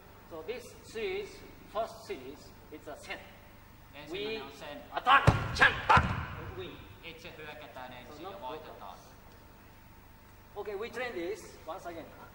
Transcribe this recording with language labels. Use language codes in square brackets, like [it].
[en] So this series, first series, it's a sen. [fi] Ensimmäinen on sen. [en] Attack! Chan! [fi] Itse hyökätään ensin ja voitetaan. [en] Okay, we train this once again.